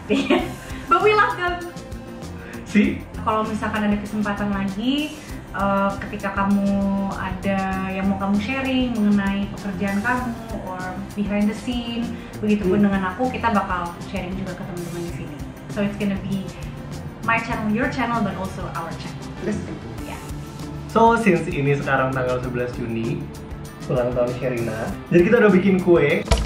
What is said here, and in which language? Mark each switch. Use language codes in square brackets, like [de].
[en] Iya, but we love them. Sih? [id] Kalau misalkan ada kesempatan lagi. Ketika kamu ada yang mau kamu sharing mengenai pekerjaan kamu or behind the scene, begitupun dengan aku, kita bakal sharing juga ke teman-teman di sini. [en] So it's gonna be my channel, your channel, but also our channel. Yes. [id] Yeah. So since ini sekarang tanggal 11 Juni, ulang tahun Sherina, jadi kita udah bikin kue.